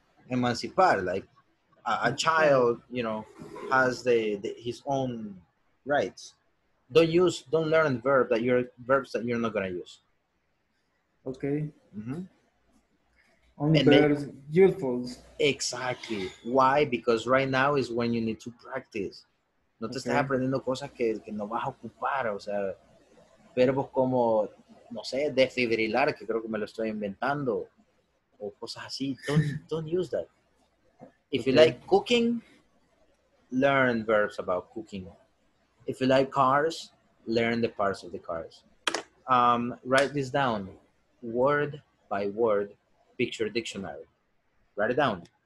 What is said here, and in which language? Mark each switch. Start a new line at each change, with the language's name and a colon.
English: Emancipar, like a child, you know, has his own rights. Don't learn verbs that you're not gonna use. Okay. Mm-hmm. Only verbs, exactly. Why? Because right now is when you need to practice.
Spanish: No te estás aprendiendo cosas que no vas a ocupar. O sea, verbos como, no sé, desfibrilar, que creo que me lo estoy inventando. O cosas así.
English: Don't use that. If you like cooking, learn verbs about cooking. If you like cars, learn the parts of the cars. Write this down. Word by word, picture dictionary. Write it down.